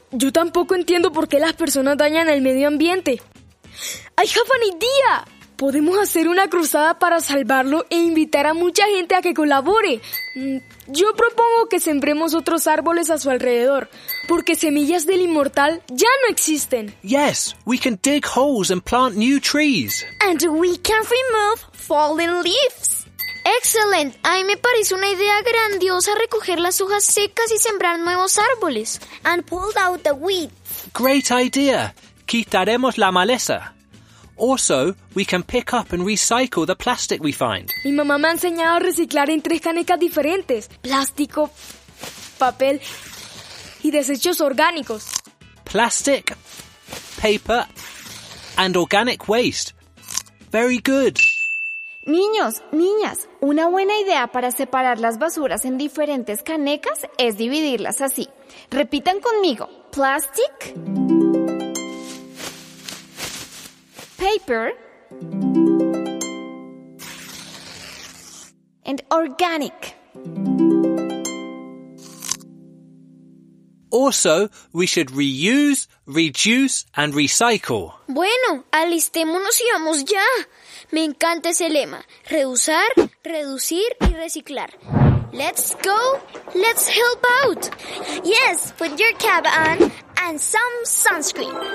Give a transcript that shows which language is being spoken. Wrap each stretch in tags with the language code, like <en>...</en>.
<es>Yo tampoco entiendo por qué las personas dañan el medio ambiente.</es> <en>I have an idea.</en> <es>Podemos hacer una cruzada para salvarlo e invitar a mucha gente a que colabore. Yo propongo que sembremos otros árboles a su alrededor, porque semillas del inmortal ya no existen.</es> <en>Yes, we can dig holes and plant new trees. And we can remove fallen leaves. Excellent.</en> <es>A mí me parece una idea grandiosa recoger las hojas secas y sembrar nuevos árboles.</es> <en>And pull out the weeds. Great idea.</en> <es>Quitaremos la maleza.</es> <en>Also, we can pick up and recycle the plastic we find.</en> <es>Mi mamá me ha enseñado a reciclar en tres canecas diferentes. Plástico, papel y desechos orgánicos.</es> <en>Plastic, paper and organic waste. Very good.</en> <es>Niños, niñas, una buena idea para separar las basuras en diferentes canecas es dividirlas así. Repitan conmigo.</es> <en>Plastic, paper and organic. Also, we should reuse, reduce and recycle.</en> <es>Bueno, alistémonos y vamos ya. Me encanta ese lema. Reusar, reducir y reciclar.</es> <en>Let's go. Let's help out. Yes, put your cap on and some sunscreen.</en>